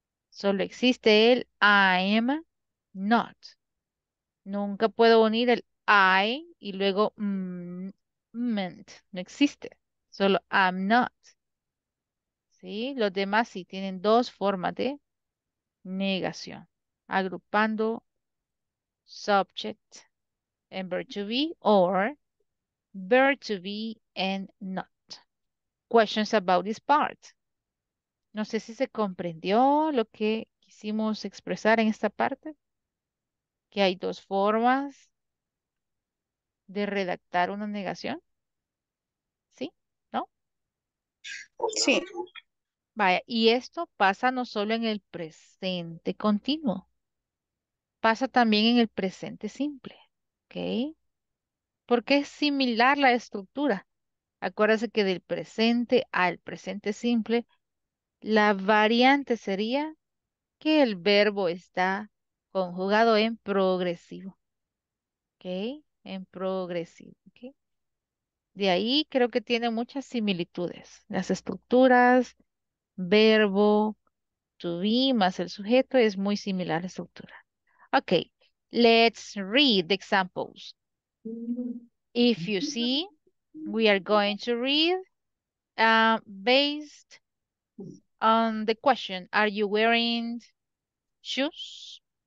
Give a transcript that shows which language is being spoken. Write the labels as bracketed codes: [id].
[es] Solo existe el I am not. Nunca puedo unir el I y luego meant. No existe. Solo I'm not. ¿Sí? Los demás sí tienen dos formas de negación. Agrupando [en] subject and verb to be or verb to be and not. Questions about this part. [es] No sé si se comprendió lo que quisimos expresar en esta parte. Que hay dos formas de redactar una negación. ¿Sí? ¿No? Sí. Vaya, y esto pasa no solo en el presente continuo. Pasa también en el presente simple. ¿Ok? Porque es similar la estructura. Acuérdense que del presente al presente simple, la variante sería que el verbo está conjugado en progresivo. ¿Ok? En progresivo. ¿Ok? De ahí creo que tiene muchas similitudes. Las estructuras, verbo, to be más el sujeto, es muy similar la estructura. [en] Ok, let's read the examples. If you see, we are going to read based on the question, are you wearing shoes?